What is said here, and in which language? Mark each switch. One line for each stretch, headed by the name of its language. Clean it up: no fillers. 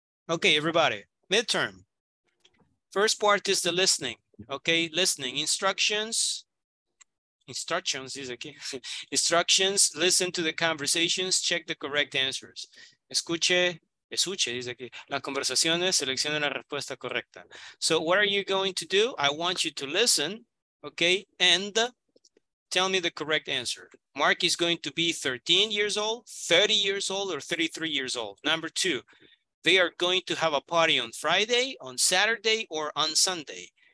English: Okay, everybody, midterm. First part is the listening. Okay, listening, instructions. Instructions is aquí. Instructions, listen to the conversations, check the correct answers.
Spanish: Escuche, dice aquí, las conversaciones, seleccione la respuesta correcta.
English: So what are you going to do? I want you to listen, okay, and tell me the correct answer. Mark is going to be 13 years old, 30 years old, or 33 years old. Number two, they are going to have a party on Friday, on Saturday, or on Sunday.